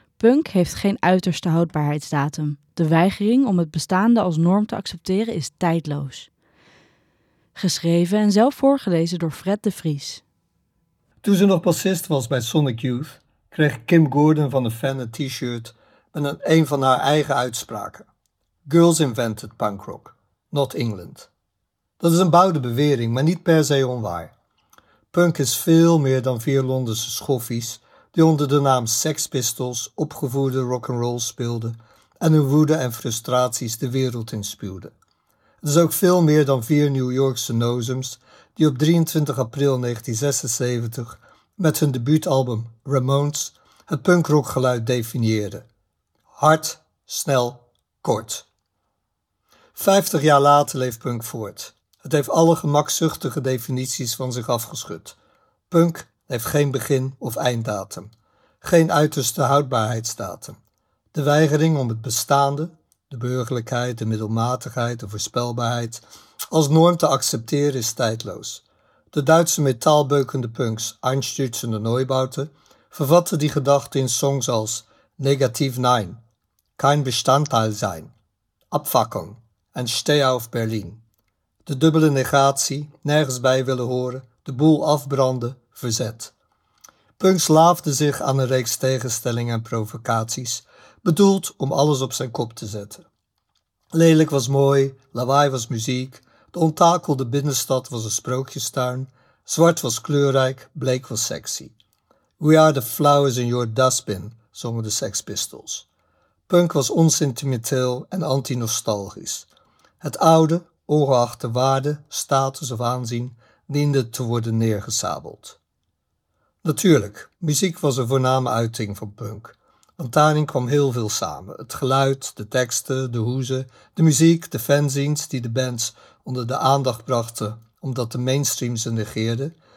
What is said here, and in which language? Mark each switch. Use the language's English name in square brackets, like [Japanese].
[Dutch] Punk heeft geen uiterste houdbaarheidsdatum. De weigering om het bestaande als norm te accepteren is tijdloos. Geschreven en zelf voorgelezen door Fred de Vries. Toen ze nog bassist was bij Sonic Youth, kreeg Kim Gordon van de Fan een t-shirt met een van haar eigen uitspraken. [English] Girls invented punk rock, not England. [Dutch] Dat is een boude bewering, maar niet per se onwaar. Punk is veel meer dan vier Londense schoffies die onder de naam Sex Pistols opgevoerde rock'n'roll speelden en hun woede en frustraties de wereld inspuwden. Het is ook veel meer dan vier New Yorkse nozems die op 23 april 1976 met hun debuutalbum Ramones het punkrockgeluid definieerden. Hard, snel, kort. 50 jaar later leeft punk voort. Het heeft alle gemakzuchtige definities van zich afgeschud. Punk heeft geen begin- of einddatum. Geen uiterste houdbaarheidsdatum. De weigering om het bestaande, de burgerlijkheid, de middelmatigheid, de voorspelbaarheid, als norm te accepteren is tijdloos. De Duitse metaalbeukende punks Einsturz und Neubauten vervatten die gedachte in songs als Negativ Nein, Kein Bestandteil sein, Abfackung en Steh auf Berlin. De dubbele negatie, nergens bij willen horen, de boel afbranden, verzet. Punks laafden zich aan een reeks tegenstellingen en provocaties, bedoeld om alles op zijn kop te zetten. Lelijk was mooi, lawaai was muziek, de onttakelde binnenstad was een sprookjestuin, zwart was kleurrijk, bleek was sexy. [English] We are the flowers in your dustbin, [Dutch] zongen de Sex Pistols. Punk was onsentimenteel en antinostalgisch. Het oude, ongeacht de waarde, status of aanzien, diende te worden neergesabeld. Natuurlijk, muziek was een voorname uiting van punk. Want daarin kwam heel veel samen. Het geluid, de teksten, de hoezen, de muziek, de fanzines die de bands onder de aandacht brachten omdat de mainstream ze negeerde.